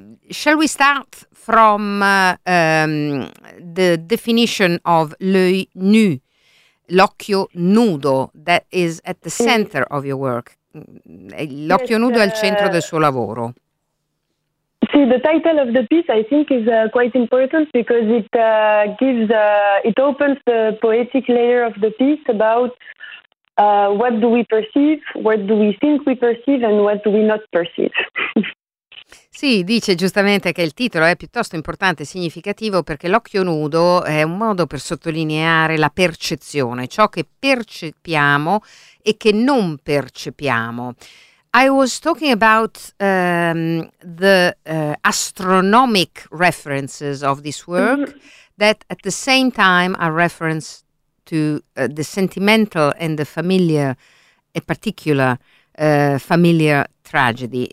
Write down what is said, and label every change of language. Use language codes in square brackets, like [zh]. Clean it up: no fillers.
[en] Shall we start from the definition of l'œil nu, l'occhio nudo, that is at the center of your work? [it] L'occhio nudo è al centro del suo lavoro. [en] See, the title of the piece, I think, is quite important, because it gives it opens the poetic layer of the piece about what do we perceive, what do we think we perceive, and what do we not perceive. [it] Sì, dice giustamente che il titolo è piuttosto importante e significativo, perché l'occhio nudo è un modo per sottolineare la percezione, ciò che percepiamo e che non percepiamo. [en] I was talking about the astronomic references of this work, that at the same time are reference to the sentimental and the familiar, a particular familiar tragedy.